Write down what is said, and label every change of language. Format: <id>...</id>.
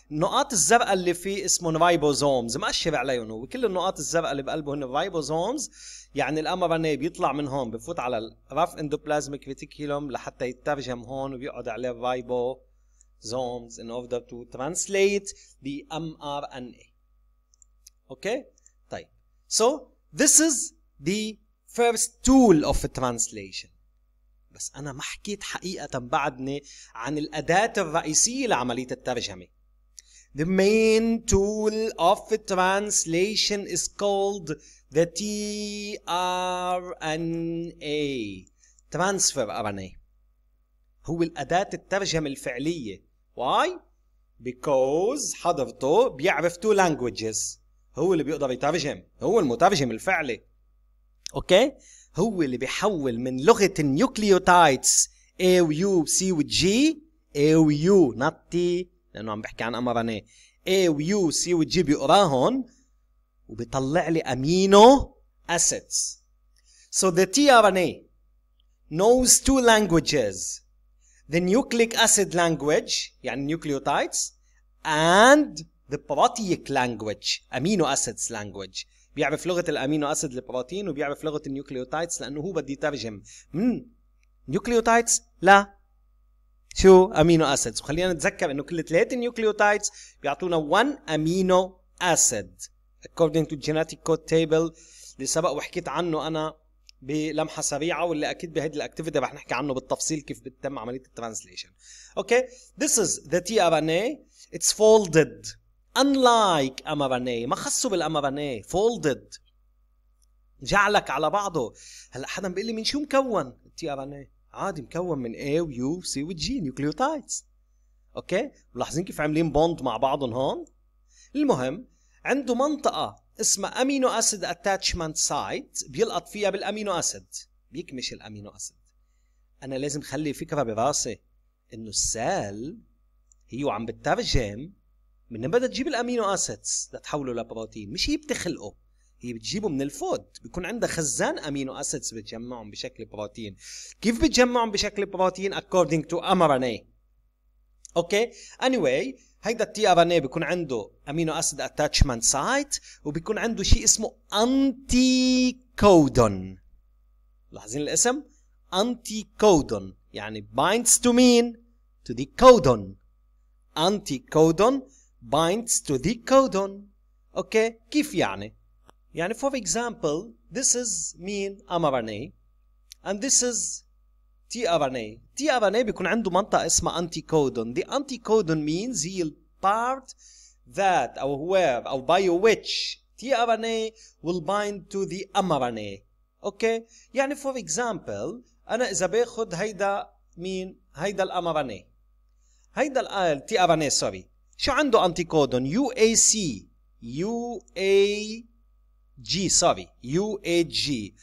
<ar>النقاط الزرقاء اللي فيه اسمهم ريبوزومز، مأشر عليهم هو. كل النقاط الزرقاء اللي بقلبه هن ريبوزومز، يعني الامرنا بيطلع من هون بفوت على الرف اندوبلازميك ريتيكولوم لحتى يترجم هون وبيقعد عليه ريبوزومز</ar> <en>in order to translate the mRNA.</en> <ar>اوكي طيب.</ar> <en>So this is the first tool of a translation.</en> <ar>بس أنا ما حكيت حقيقة بعدني عن الأداة الرئيسية لعملية الترجمة.</ar> <en>The main tool of a translation is called the tRNA.</en> <ar>Transfer RNA. هو الأداة الترجمة الفعلية.</ar> <en>Why? because</en> <ar>حضرته بيعرف</ar> <en>two languages.</en> <ar>هو اللي بيقدر يترجم، هو المترجم الفعلي. اوكي؟ هو اللي بيحول من لغة النيوكليوتايدز A و U و C و G A و U not T لأنه عم بحكي عن mRNA A و U C و G بيقراهن وبيطلع لي أمينو أسيدز.</ar> <en>So the tRNA knows two languages, the nucleic acid language يعني nucleotides and the proteic language amino acids language.</en> <ar>بيعرف لغة الأمينو أسيد البروتين وبيعرف لغة النيوكليوتايدز لأنه هو بدي يترجم من نيوكليوتايدز لا شو أمينو أسيدز. وخلينا نتذكر أنه كل ثلاثة نيوكليوتايدز بيعطونا 1 أمينو أسيد</ar> <en>according to genetic code table</en> <ar>اللي سبق وحكيت عنه أنا بلمحة سريعة واللي أكيد بهذه الأكتيفيتي رح نحكي عنه بالتفصيل كيف بتتم عملية الترانسليشن.</ar> <en>okay this is the tRNA it's folded unlike mRNA</en> <ar>ما خصو بالmRNA folded جعلك على بعضه. هلأ حدا بيقول لي من شو مكون tRNA؟ عادي مكون من A و U C و G nucleotides. أوكي ملاحظين كيف عاملين bond مع بعضهم هون. المهم عنده منطقة اسمها amino acid attachment site بيلقط فيها بالأمينو أسيد بيكمش الأمينو أسيد. أنا لازم خلي فكرة براسي إنه السال هي عم بتترجم من بدها تجيب الأمينو أسيدز لتحوله لبروتين، مش هي بتخلقه، هي بتجيبه من الفود، بيكون عندها خزان أمينو أسيدز بتجمعهم بشكل بروتين. كيف بتجمعهم بشكل بروتين؟</ar> <en>according to mRNA.</en> <ar>أوكي؟ anyway هيدا tRNA بيكون عنده أمينو أسيد attachment site وبيكون عنده شيء اسمه anticodon. لاحظين الاسم؟</ar> <en>anticodon يعني binds to mean to the codon. anticodon binds to the codon. Okay,</en> <ar>كيف يعني؟ يعني</ar> <en>for example this is mean mRNA and this is tRNA.</en> <ar>tRNA بيكون عنده منطقة اسمها anticodon.</ar> <en>The anticodon means هي part that or where or by which tRNA will bind to the mRNA.</en> <ar>Okay, يعني</ar> <en>for example</en> <ar>أنا إذا باخد هيدا مين هيدا mRNA هيدا tRNA sorry شو عنده أنتيكودون؟ UAC UAG sorry UAG.</ar>